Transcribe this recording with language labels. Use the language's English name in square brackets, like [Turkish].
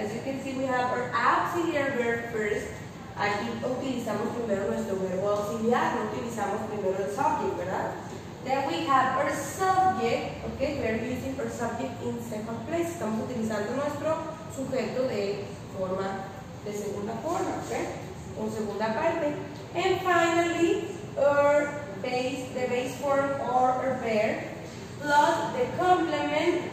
[English] As you can see, we have our auxiliary verb first. [Spanish] Aquí utilizamos primero nuestro verbo auxiliar, no utilizamos primero el subject, ¿verdad? [English] Then we have our subject, okay? We are using our subject in second place. [Spanish] Estamos utilizando nuestro sujeto de segunda forma, okay? Con segunda parte. [English] And finally, the base form or our verb plus the complement.